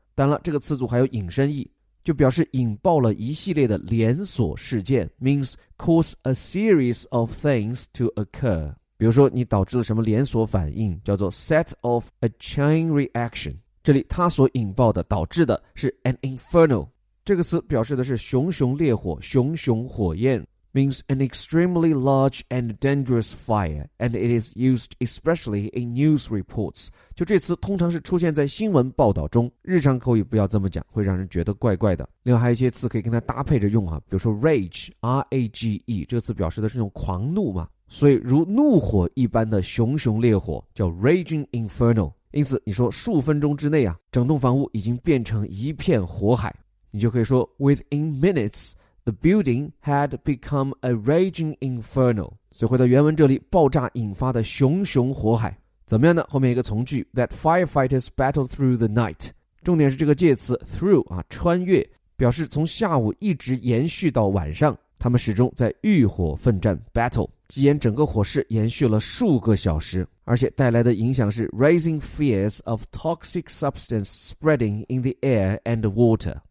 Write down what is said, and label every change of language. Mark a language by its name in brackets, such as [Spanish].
[Chinese] 当然了这个词组还有引申义，就表示引爆了一系列的连锁事件， means cause a series of things to occur，比如说你导致了什么连锁反应叫做 set off a chain reaction，这里它所引爆的导致的是 an inferno， 这个词表示的是熊熊烈火，熊熊火焰。 [English] Means an extremely large and dangerous fire, and it is used especially in news reports. [Chinese] 就这词通常是出现在新闻报道中，日常口语不要这么讲，会让人觉得怪怪的。另外还有一些词可以跟它搭配着用啊，比如说 rage, R-A-G-E, 这个词表示的是那种狂怒嘛，所以如怒火一般的熊熊烈火叫 raging inferno。因此你说数分钟之内啊，整栋房屋已经变成一片火海，你就可以说 within minutes,The building had become a raging inferno. 所以回到原文这里，爆炸引发的熊熊火海。怎么样呢？后面一个从句 that firefighters battled through the night. 重点是这个介词 through 啊，穿越，表示从下午一直延续到晚上，他们始终在浴火奋战 battle， 即言整个火势延续了数个小时，而且带来的影响是 raising fears of toxic substance spreading in the air and the water.